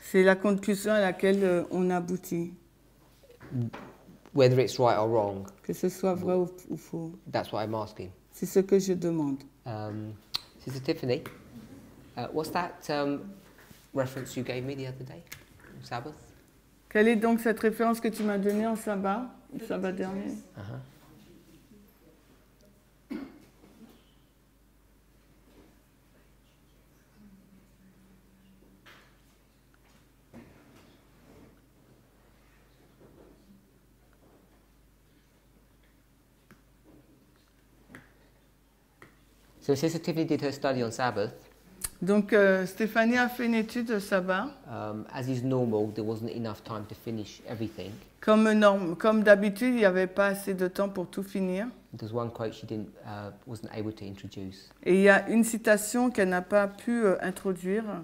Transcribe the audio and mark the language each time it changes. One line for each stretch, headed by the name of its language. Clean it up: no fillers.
French: C'est la conclusion à laquelle on aboutit.
English: Whether it's right or wrong.
French: Que ce soit vrai ou faux.
English: That's what I'm asking.
French: C'est ce que je demande.
English: Sister Tiffany, what's that reference you gave me the other day, Sabbath?
French: Quelle est donc cette référence que tu m'as donnée en sabbat, le sabbat dernier?
English: So Sister Tiffany did her study on Sabbath.
French: Donc, Stéphanie a fait une étude de sabbat.
English: As is normal, there wasn't enough time to finish everything.
French: Comme d'habitude, il n'y avait pas assez de temps pour tout finir.
English: There's one quote she didn't, wasn't able to introduce.
French: Et il y a une citation qu'elle n'a pas pu introduire.